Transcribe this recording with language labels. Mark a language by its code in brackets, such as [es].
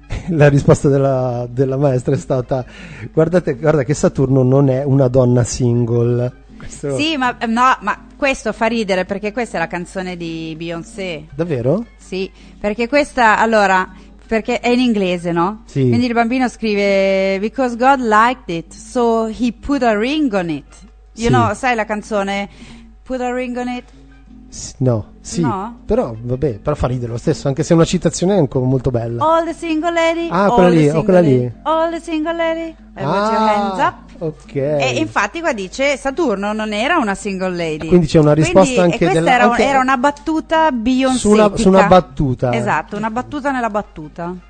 [it] La risposta della maestra è stata: guarda che Saturno non è una donna single. Sì, ma questo fa ridere, perché questa è la canzone di Beyoncé. Davvero? Sì, perché questa, allora, perché è in inglese, no? Sì. Quindi il bambino scrive: [en] because God liked it, so he put a ring on it. You know, [it] sai la canzone? [en] Put a ring on it? [it] No, sì, no? Però vabbè, però fa ridere lo stesso, anche se è una citazione ancora molto bella. [en] All the single lady. [it] Ah, quella lì, [en] All the single lady, put your hands up. [it] Ok. E infatti qua dice: Saturno non era una [en] single lady. [it] Quindi c'è una risposta. Quindi, anche questa della... era una battuta beyoncetica. Su una battuta. Esatto, una battuta nella battuta.